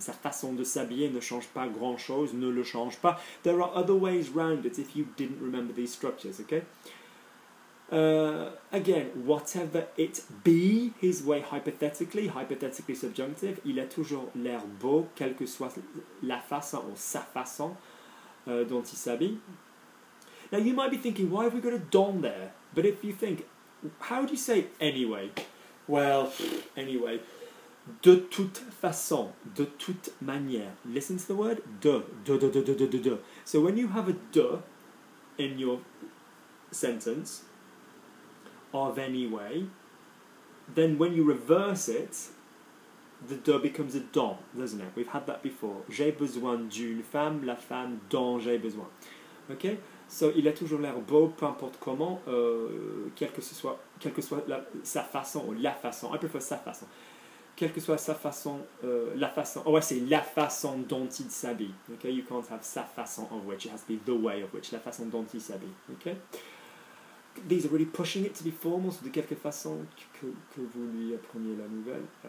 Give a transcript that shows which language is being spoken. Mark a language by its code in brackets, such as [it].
[fr] Sa façon de s'habiller ne change pas grand chose, ne le change pas. [en] There are other ways around it if you didn't remember these structures, okay? Again, whatever it be, his way hypothetically subjunctive, [fr] il a toujours l'air beau, quelle que soit la façon ou sa façon. Dont il s'habille. [en] Now you might be thinking, why have we got a don there? But if you think, how do you say anyway? Well, anyway, [fr] de toute façon, de toute manière. [en] Listen to the word de. So when you have a de in your sentence of anyway, then when you reverse it, the de becomes a don, doesn't it? We've had that before. [fr] J'ai besoin d'une femme, la femme dont j'ai besoin. [en] Okay? [fr] So, il a toujours l'air beau, peu importe comment, quelle que soit sa façon. [en] I prefer [fr] sa façon. Quelle que soit sa façon, la façon. Oh, ouais, c'est la façon dont il s'habille. [en] Okay? You can't have sa façon of which. It has to be the way of which. [fr] La façon dont il s'habille. [en] Okay? These are really pushing it to be formal, so [fr] de quelque façon que vous lui appreniez la nouvelle.